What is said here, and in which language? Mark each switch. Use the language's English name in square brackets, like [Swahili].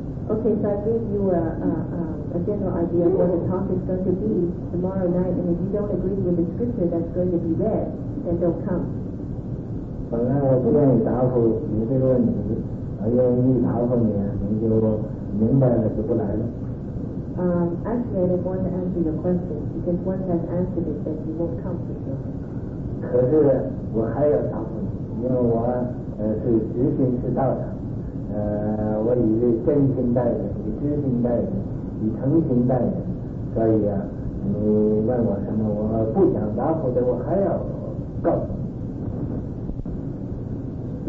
[English] Okay, so I gave you a general idea of what the topic is going to be tomorrow night, and if you don't agree with the scripture that's going to be read, then don't come. [Chinese] 本来我不愿意答复你这个问题，因为一答复你，您就明白了，就不来了。 [English] Actually, I didn't want to answer your question because once I've answered it, then you won't come for sure. [Chinese] 可是我还要答复你。因为我是执心是道的，我以为真心待人，以知心待人，以诚心待人，所以啊，你问我什么，我不想答复的，我还要告诉你。